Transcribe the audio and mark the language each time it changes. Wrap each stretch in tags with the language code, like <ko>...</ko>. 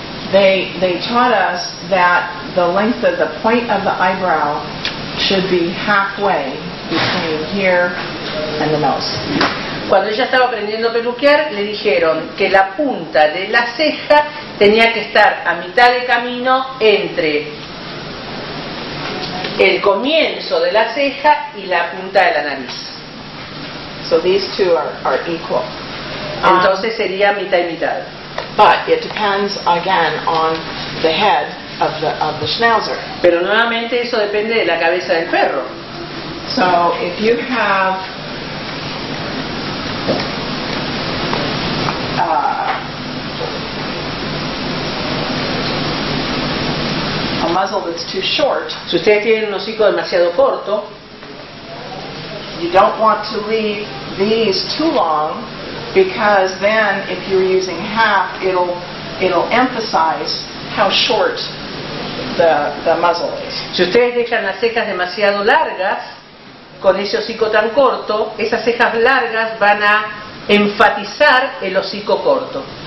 <en>they taught us that the length of the point of the eyebrow should be halfway between here and the nose.</en> <es>Cuando ella estaba aprendiendo a peluquear, le dijeron que la punta de la ceja tenía que estar a mitad de camino entre el comienzo de la ceja y la punta de la nariz.</es> <en>So these two are equal.</en> <es>Entonces sería mitad y mitad.</es> <en>But it depends again on the head of the schnauzer.</en> <es>Pero nuevamente eso depende de la cabeza del perro.</es> <en>So if you have a muzzle that's too short.</en> <es>Si ustedes tienen un hocico demasiado corto,</es> <en>you don't want to leave these too long, because then if you're using half, it'll emphasize how short the muzzle is.</en> <es>Si ustedes dejan las cejas demasiado largas, con ese hocico tan corto, esas cejas largas van a enfatizar el hocico corto.</es>